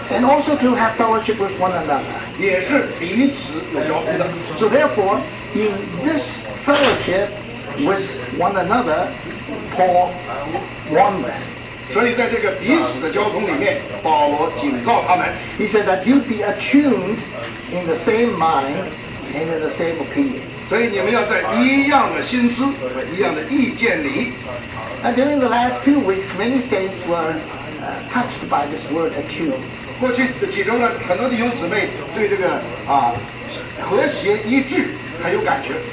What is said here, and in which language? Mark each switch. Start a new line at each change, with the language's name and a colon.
English: And also to have fellowship with one another
Chinese: 也是彼此有交通的
English: So therefore in this fellowship with one another Paul warned them
Chinese: 所以在这个彼此的交通里面，保罗警告他们。
English: He said that you be attuned in the same mind and in the same opinion.
Chinese: 所以你们要在一样的心思、一样的意见里。
English: And during the last few weeks, many saints were touched by this word attuned.
Chinese: 过去几周呢，很多弟兄姊妹对这个和谐一致很有感觉。